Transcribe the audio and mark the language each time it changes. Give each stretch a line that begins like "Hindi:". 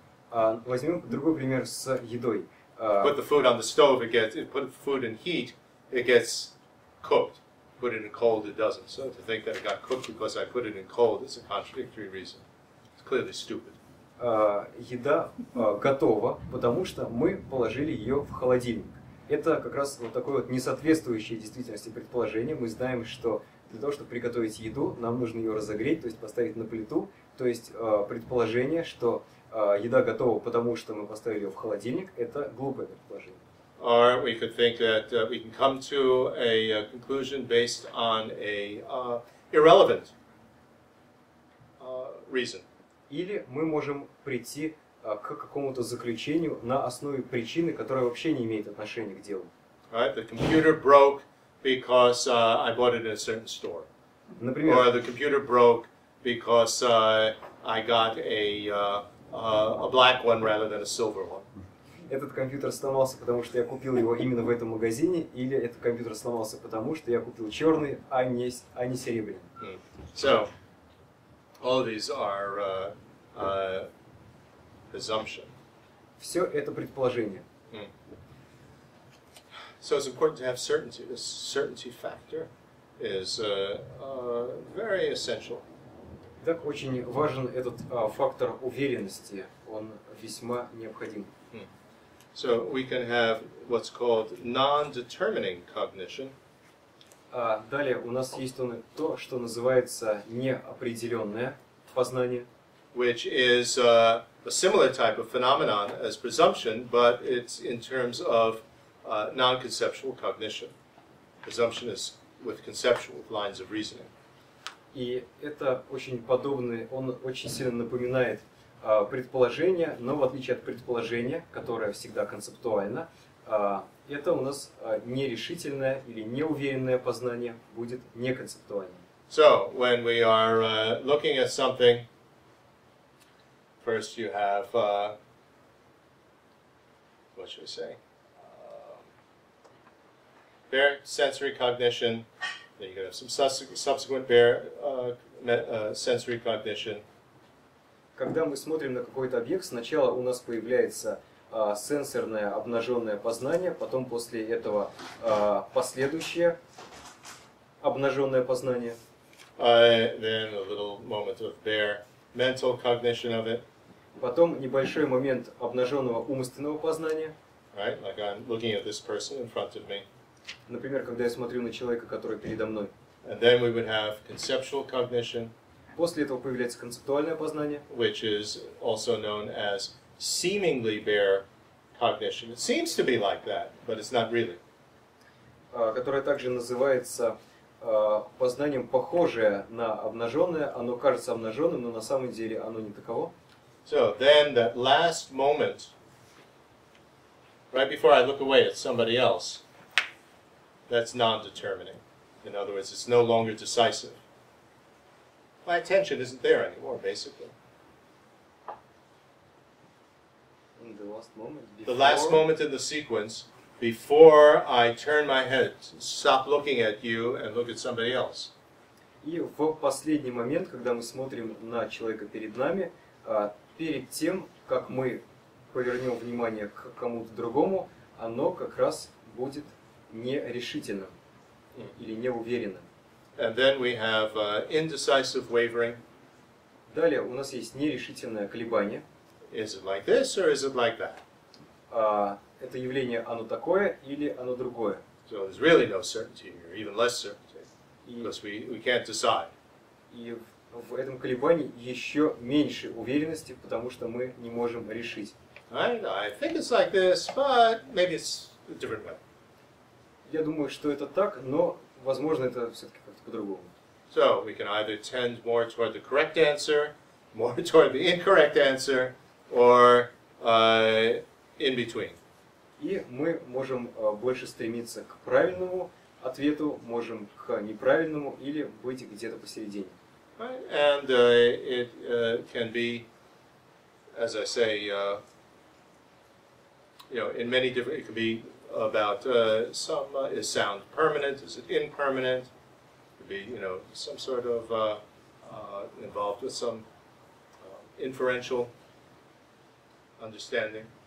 Russian: Возьмем другой пример с едой.
English: Put the food on the stove, put the food in heat, it gets cooked. Put it in cold, it doesn't. So to think that it got cooked because I put it in cold is a contradictory reason. It's clearly stupid.
Russian: Еда готова, потому что мы положили ее в холодильник. Это как раз вот такое вот несоответствующее действительности предположение. Мы знаем, что для того, чтобы приготовить еду, нам нужно ее разогреть, то есть поставить на плиту. То есть предположение, что еда готова, потому что мы поставили ее в холодильник, это глупое предположение.
English: Or we could think that we can come to a conclusion based on a irrelevant reason.
Russian: Или мы можем прийти к какому-то заключению на основе причины, которая вообще не имеет отношения к делу.
English: Right, the computer broke because I bought it in a certain store.
Russian: Например,
English: or the computer broke because I got a black one rather than a silver one.
Russian: Этот компьютер сломался, потому что я купил его именно в этом магазине, или этот компьютер сломался, потому что я купил черный, а не серебряный. Mm.
English: So, all of these are presumption.
Russian: Все это предположение.
English: So it's important to have certainty. The certainty factor is very essential.
Russian: Так очень важен этот фактор уверенности. Он весьма необходим.
English: So we can have what's called non-determining cognition.
Russian: Далее у нас есть то, что называется неопределенное познание.
English: Which is a similar type of phenomenon as presumption, but it's in terms of non-conceptual cognition. Presumption is with conceptual lines of reasoning.
Russian: И это очень подобный, он очень сильно напоминает предположение, но в отличие от предположения, которое всегда концептуально, это у нас нерешительное или неуверенное познание будет неконцептуальным.
English: So, when we are looking at something, first you have, what should I say? Bare sensory cognition, then you have some subsequent bare sensory cognition.
Russian: Когда мы смотрим на какой-то объект, сначала у нас появляется сенсорное обнаженное познание, потом после этого последующее обнаженное познание.
English: Then a little moment of bare mental cognition of it.
Russian: Потом небольшой момент обнаженного умственного познания.
English: Right, like I'm looking at this person in front of me.
Russian: Например, когда я смотрю на человека, который передо мной.
English: And then we would have conceptual cognition.
Russian: После этого появляется концептуальное познание,
English: which is also known as seemingly bare cognition. It seems to be like that, but it's not really.
Russian: Которое также называется познанием, похожее на обнаженное. Оно кажется обнаженным, но на самом деле оно не таково.
English: So then that last moment, right before I look away at somebody else, that's non-determining. In other words, it's no longer decisive. My attention isn't there anymore, basically. In the last moment, before... The last moment in the sequence, before I turn my head, stop looking at you and look at somebody else.
Russian: И в последний момент, когда мы смотрим на человека перед нами, перед тем, как мы повернем внимание к кому-то другому, оно как раз будет нерешительным или неуверенным.
English: And then we have indecisive wavering.
Russian: Далее у нас есть нерешительное колебание.
English: Is it like this or is it like that?
Russian: Это явление, оно такое или оно другое?
English: So there's really no certainty here, even less certainty, because we can't decide.
Russian: И в этом колебании еще меньше уверенности, потому что мы не можем решить.
English: I think it's like this, but maybe it's a different way.
Russian: Я думаю, что это так, но возможно, это все-таки как-то по-другому.
English: So we can either tend more toward the correct answer, more toward the incorrect answer, or in between.
Russian: И мы можем больше стремиться к правильному ответу, можем к неправильному или быть где-то посередине.
English: Right. And it can be, as I say, in many different. It can be about some is sound permanent, is it impermanent? It could be, some sort of involved with some inferential understanding.